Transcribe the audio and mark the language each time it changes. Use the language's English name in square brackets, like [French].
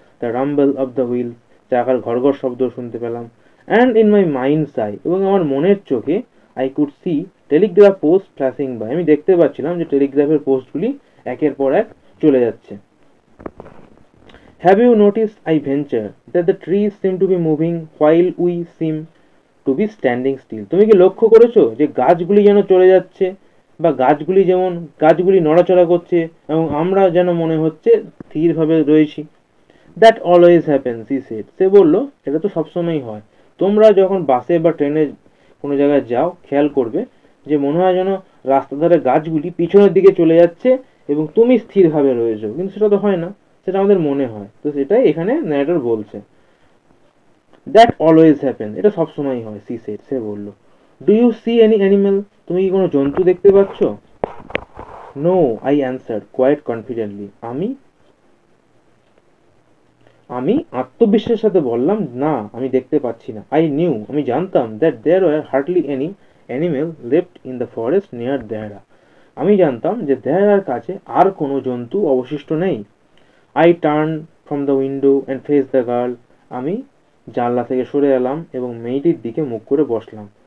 [English] the rumble of the wheel, [Bangla] চাকার ঘড়ঘড় শব্দ শুনতে পেলাম। [English] and in my mind's eye, [Bangla] এবং আমার মনের চোখে [English] I could see telegraph post flashing by, [Bangla] আমি দেখতে পাচ্ছিলাম যে টেলিগ্রাফের পোস্টগুলি একের পর এক চলে যাচ্ছে। [English] Have you notice I venture, that the trees seem to be moving while we seem to be standing still. [Bangla] তুমি কি লক্ষ্য করেছো যে গাছগুলি যেন চলে যাচ্ছে বা গাছগুলি যেমন গাছগুলি নড়াচড়া করছে এবং আমরা যেন মনে হচ্ছে স্থিরভাবে রয়েছি? [English] That always happens, he said. [Bangla] সে বলল, এটা তো সবসময়ই হয়। তোমরা যখন বাসে বা ট্রেনে কোনো জায়গায় যাও, খেয়াল করবে যে মনে হয় যেন রাস্তা ধারে গাছগুলি পিছনের দিকে চলে যাচ্ছে এবং তুমি স্থিরভাবে রয়েছো, কিন্তু সেটা তো হয় না, সেটা আমাদের মনে হয়। তো সেটাই এখানে ন্যারেটর বলছে। [English] That always happens, [Bangla] এটা সবসময়ই হয়, [English] she said, [Bangla] সে বলল। [English] Do you see any animal? [Bangla] তুমি কি কোনো জন্তু দেখতে পাচ্ছ? [English] No, I answered quite confidently. [Bangla] আমি আত্মবিশ্বাসের সাথে বললাম, না আমি দেখতে পাচ্ছি না। [English] I knew, [Bangla] আমি জানতাম, [English] That there were hardly any animal left in the forest near Dehra. [Bangla] আমি জানতাম যে দেহরার কাছে আর কোনো জন্তু অবশিষ্ট নেই। [English] I turn from the window and face the girl, [Bangla] আমি জানলা থেকে সরে এলাম এবং মেয়েটির দিকে মুখ করে বসলাম।